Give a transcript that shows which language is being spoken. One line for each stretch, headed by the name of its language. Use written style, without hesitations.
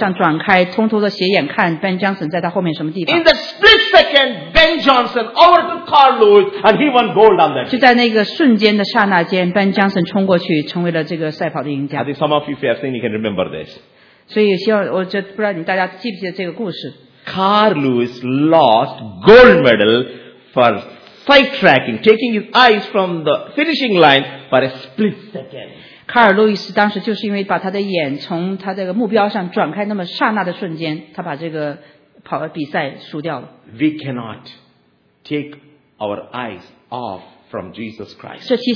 Chinese: 在这瞬间，他把他眼睛从他的目标上转开，偷偷的斜眼看 Ben Johnson在他后面什么地方。
English: In the split second, Ben Johnson overtook Carl Lewis, and he won gold on that.
Chinese: 就在那个瞬间的刹那间， Ben Johnson冲过去，成为了这个赛跑的赢家。
English: I think some of you, if you have seen, you can remember this.
Chinese: 所以希望，我就不知道你大家记不记得这个故事。
English: Carl Lewis lost gold medal for sidetracking, taking his eyes from the finishing line for a split second.
Chinese: Carl Lewis 当时就是因为把他的眼从他的目标上转开，那么刹那的瞬间，他把这个跑比赛输掉了。
English: We cannot take our eyes off from Jesus Christ.